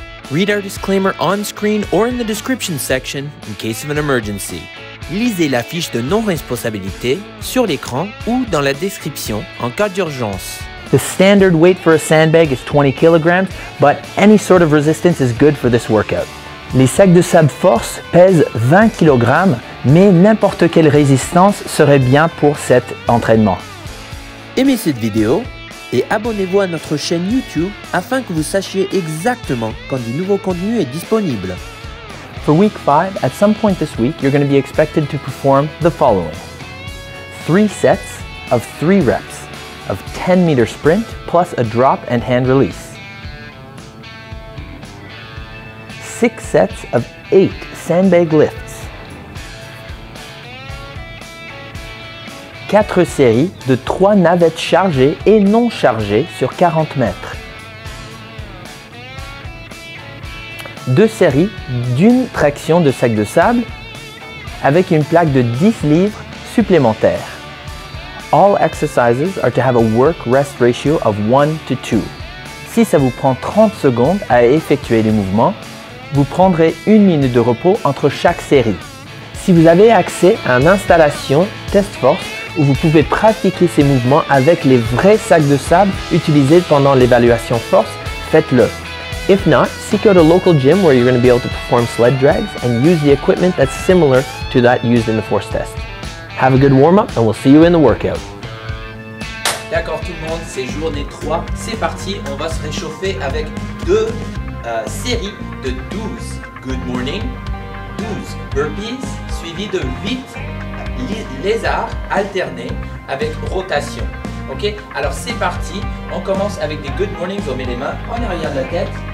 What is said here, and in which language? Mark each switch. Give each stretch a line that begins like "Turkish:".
English: Read our disclaimer on screen or in the description section in case of an emergency.
French: Lisez la fiche de non-responsabilité sur l'écran ou dans la description en cas d'urgence.
English: The standard weight for a sandbag is 20 kg, but any sort of resistance is good for this workout.
French: Les sacs de sable force pèsent 20 kg, mais n'importe quelle résistance serait bien pour cet entraînement. Aimez cette vidéo et abonnez-vous à notre chaîne YouTube afin que vous sachiez exactement quand du nouveau contenu est disponible.
English: For week 5, at some point this week, you're going to be expected to perform the following. 3 sets of 3 reps of 10-meter sprint plus a drop and hand release. 6 sets of 8 sandbag lifts.
French: 4 séries de 3 navettes chargées et non chargées sur 40 mètres. 2 séries d'une traction de sac de sable avec une plaque de 10 livres supplémentaire.
English: All exercises are to have a work-rest ratio of 1 to 2.
French: Si ça vous prend 30 secondes à effectuer les mouvements, vous prendrez une minute de repos entre chaque série. Si vous avez accès à une installation Test Force où vous pouvez pratiquer ces mouvements avec les vrais sacs de sable utilisés pendant l'évaluation force, faites-le.
English: If not, seek out a local gym where you're going to be able to perform sled drags and use the equipment that's similar to that used in the force test. Have a good warm-up and we'll see you in the workout.
French: D'accord tout le monde, c'est journée 3. C'est parti, on va se réchauffer avec deux séries de 12. Good morning, 12 burpees, suivi de 8 lézards alternés avec rotation. Ok, alors c'est parti, on commence avec des good mornings, on met les mains en arrière de la tête.